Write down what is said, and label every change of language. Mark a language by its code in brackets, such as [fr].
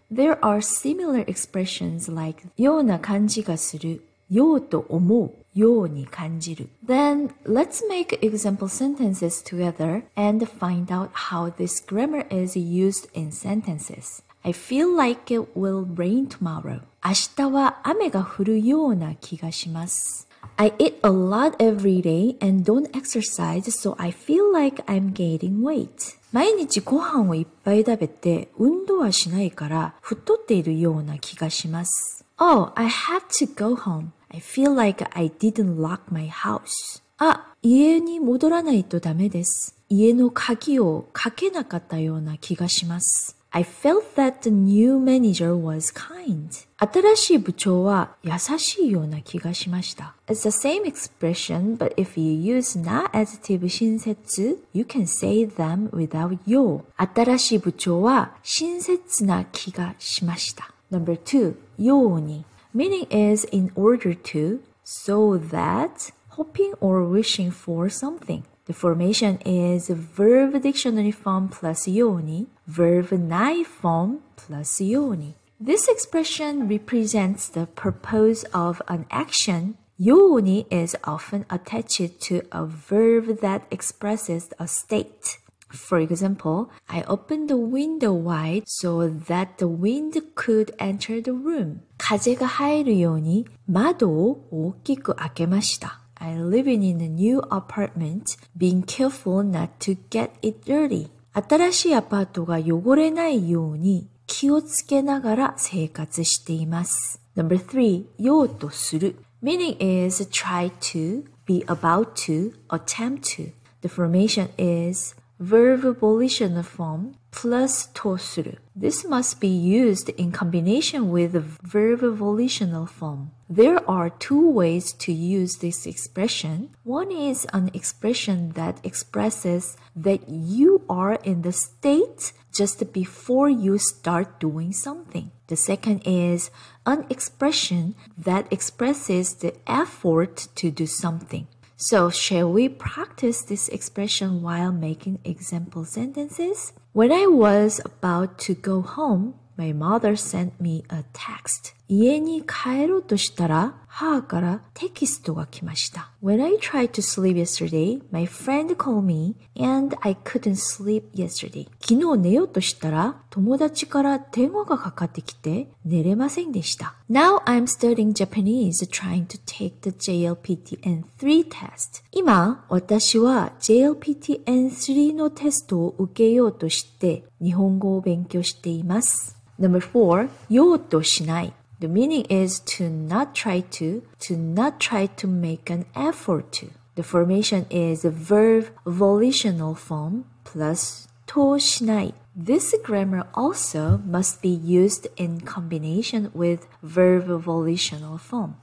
[en] There are similar expressions like [ja] ような感じがする、ようと思う、ように感じる。 [en] Then, let's make example sentences together and find out how this grammar is used in sentences. I feel like it will rain tomorrow. [ja] 明日は雨が降るような気がします。 [en] I eat a lot every day and don't exercise, so I feel like I'm gaining weight. [ja] 毎日ご飯をいっぱい食べて運動はしないから太っているような気がします。 [en] Oh, I have to go home. I feel like I didn't lock my house. [ja] あ、家に戻らないとダメです。家の鍵をかけなかったような気がします。 [en] I felt that the new manager was kind. [ja] 新しい部長は優しいような気がしました。 [en] It's the same expression, but if you use な adjective 親切 you can say them without よ。 [ja] 新しい部長は親切な気がしました。 [en] Number two, ように。Meaning is in order to, so that, hoping or wishing for something. The formation is verb dictionary form plus ように, verb ない form plus ように. This expression represents the purpose of an action. ように is often attached to a verb that expresses a state. For example, I opened the window wide so that the wind could enter the room. [ja] 風が入るように窓を大きく開けました。 [en] I'm living in a new apartment, being careful not to get it dirty. [ja] 新しいアパートが汚れないように気をつけながら生活しています。 [en] Number three, 用途する。 Meaning is try to, be about to, attempt to. The formation is verb volition form plus とする。 This must be used in combination with verb volitional form. There are two ways to use this expression. One is an expression that expresses that you are in the state just before you start doing something. The second is an expression that expresses the effort to do something. So, shall we practice this expression while making example sentences? When I was about to go home, my mother sent me a text. [ja] 家に帰ろうとしたら、母からテキストが来ました。 [en] When I tried to sleep yesterday, my friend called me and I couldn't sleep yesterday. [ja] 昨日寝ようとしたら、友達から電話がかかってきて寝れませんでした。 [en] Now I'm studying Japanese trying to take the JLPT N3 test. [ja] 今、私は JLPT N3 のテストを受けようとして日本語を勉強しています。 [en] Number 4. 用途しない。 The meaning is to not try to not try to make an effort to. The formation is a verb volitional form plus to しない. This grammar also must be used in combination with verb volitional form.